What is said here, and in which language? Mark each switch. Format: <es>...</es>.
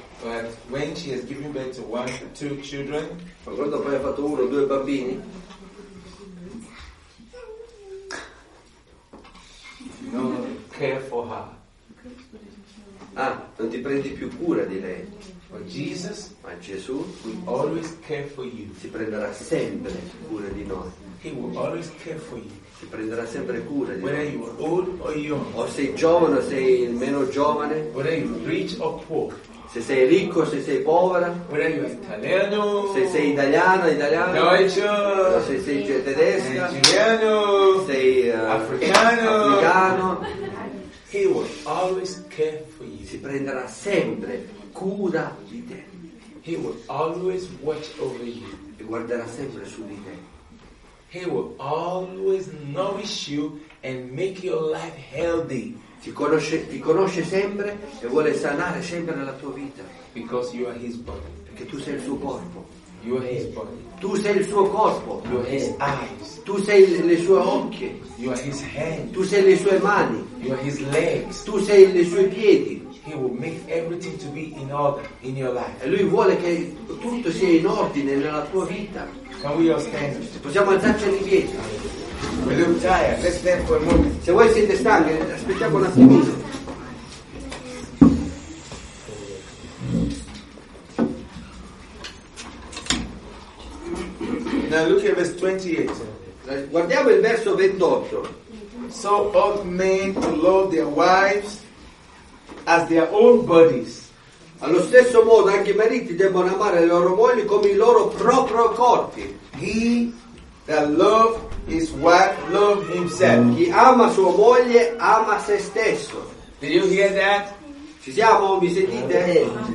<en>But when she has given birth to one or two children,</en> <it>ma quando poi ha fatto uno o due bambini,</it> <en>no care for her.</en> <it>Ah, non ti prendi più cura di lei.</it> <en>But Jesus,</en> <it>ma Gesù,</it> <en>will always care for you.</en> <it>Si prenderà sempre cura di noi.</it> <en>He will always care for you.</en> <it>Si prenderà sempre cura di</it> <en>whether</en> <it>noi.</it> <en>Whether you are old or young.</en> <it>O sei giovane o sei meno giovane.</it> <en>Whether you are rich or poor.</en> <it>Se sei ricco, se sei povera, italiano, se sei italiano,</it> <de>deutsche,</de> <it>se sei tedesca, italiano, sei africano,</it> <en>he will always care for you.</en> <it>Si prenderà sempre cura di te.</it> <en>He will always watch over you.</en> <it>E guarderà sempre su di te.</it> <en>He will always nourish you and make your life healthy.</en> <it>Ti conosce sempre e vuole sanare sempre nella tua vita.</it> <en>Because you are his body.</en> <it>Perché tu sei il suo corpo.</it> <en>You are his body.</en> <it>Tu sei il suo corpo.</it> <en>You are his eyes.</en> <it>Tu sei le sue occhie.</it> <en>You are his hand.</en> <it>Tu sei le sue mani.</it> <en>You are his legs.</en> <it>Tu sei le sue piedi.</it> <en>He will make everything to be in order in your life.</en> <it>E lui vuole che tutto sia in ordine nella tua vita.</it> <en>Can we all stand?</en> <it>Possiamo alzarci in piedi. Se voi siete stanchi, aspettiamo un attimo.</it> <en>Now look at verse 28.</en> <it>Guardiamo il verso 28.</it> <en>So ought men to love their wives as their own bodies.</en> <it>Allo stesso modo anche i mariti debbono amare le loro mogli come i loro propri corpi.</it> <en>He that love his wife love himself.</en> <it>Chi ama sua moglie ama se stesso.</it> <en>Did you hear that?</en> <it>Ci siamo, mi sentite?</it>